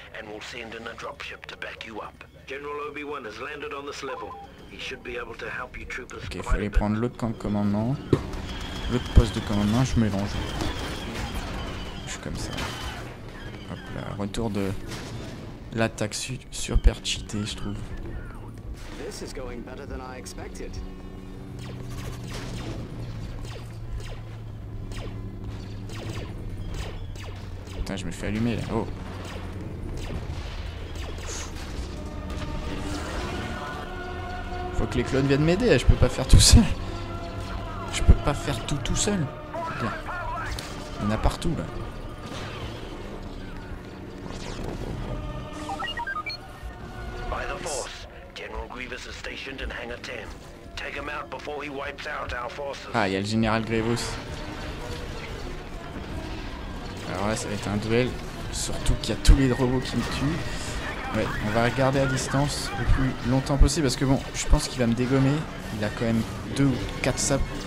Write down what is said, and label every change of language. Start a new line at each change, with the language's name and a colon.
English: We'll send in a dropship to back you up. General Obi-Wan has landed on this level. He should be able to help you troopers.
French: Ok, fallait prendre l'autre camp de commandement. L'autre poste de commandement, je mélange. Je suis comme ça. Hop là, retour de l'attaque super cheatée, je trouve.
English: This is going better than I expected.
French: Putain, je me fais allumer là. Oh. Faut que les clones viennent m'aider, je peux pas faire tout seul. Je peux pas faire tout seul. Bien. Il y en a partout là.
English: By the force, General Grievous is stationed in Hangar 10. Take him out before he wipes out our forces.
French: Ah, il y a le général Grievous. Alors là, ça va être un duel, surtout qu'il y a tous les robots qui me tuent. Ouais, on va regarder à distance le plus longtemps possible parce que bon, je pense qu'il va me dégommer. Il a quand même 2 ou 4 sabres.